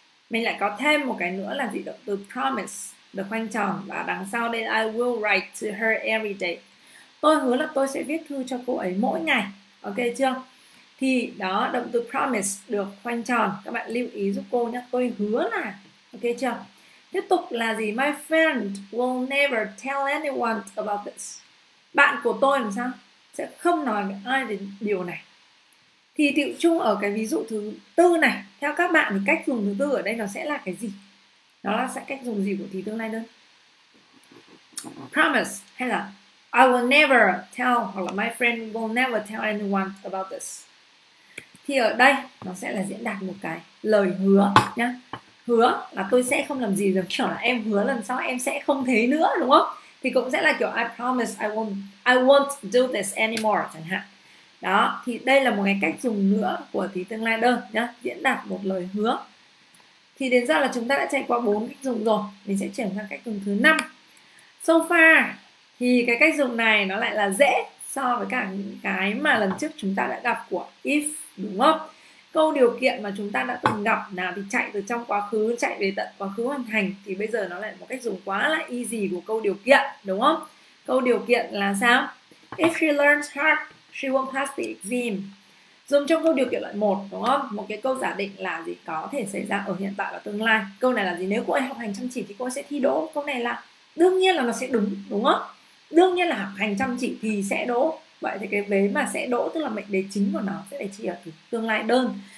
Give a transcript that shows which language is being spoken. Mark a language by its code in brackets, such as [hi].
[vi] Mình lại có thêm một cái nữa là gì, động từ promise được khoanh tròn và đằng sau đây [en] I will write to her every day. [vi] Tôi hứa là tôi sẽ viết thư cho cô ấy mỗi ngày. Ok chưa? Thì đó, động từ promise được khoanh tròn. Các bạn lưu ý giúp cô nhé, tôi hứa là. Ok chưa? Tiếp tục là gì, [en] my friend will never tell anyone about this. [vi] Bạn của tôi làm sao sẽ không nói với ai về điều này. Thì tựu chung ở cái ví dụ thứ tư này, theo các bạn thì cách dùng thứ tư ở đây nó sẽ là cái gì? Nó là sẽ cách dùng gì của thì tương lai đơn? [en] Promise [vi] hay là [en] I will never tell, [vi] hoặc là [en] my friend will never tell anyone about this. [vi] Thì ở đây nó sẽ là diễn đạt một cái lời hứa nhá. Hứa là tôi sẽ không làm gì được, kiểu là em hứa lần sau em sẽ không thế nữa đúng không? Thì cũng sẽ là kiểu [en] I promise I won't do this anymore [vi] chẳng hạn. Đó, thì đây là một cái cách dùng nữa của thì tương lai đơn nhá, diễn đạt một lời hứa. Thì đến giờ là chúng ta đã chạy qua 4 cách dùng rồi, mình sẽ chuyển sang cách dùng thứ 5. [en] So far, [vi] thì cái cách dùng này nó lại là dễ so với cả những cái mà lần trước chúng ta đã gặp của if, đúng không? Câu điều kiện mà chúng ta đã từng gặp nào thì chạy từ trong quá khứ, chạy về tận quá khứ hoàn thành. Thì bây giờ nó lại một cách dùng quá là easy của câu điều kiện, đúng không? Câu điều kiện là sao? [en] If she learns hard, she won't pass the exam. [vi] Dùng trong câu điều kiện loại 1, đúng không? Một cái câu giả định là gì có thể xảy ra ở hiện tại và tương lai. Câu này là gì? Nếu cô ấy học hành chăm chỉ thì cô ấy sẽ thi đỗ. Câu này là đương nhiên là nó sẽ đúng, đúng không? Đương nhiên là học hành chăm chỉ thì sẽ đỗ. Vậy thì cái vế mà sẽ đỗ, tức là mệnh đề chính của nó sẽ chỉ ở tương lai đơn.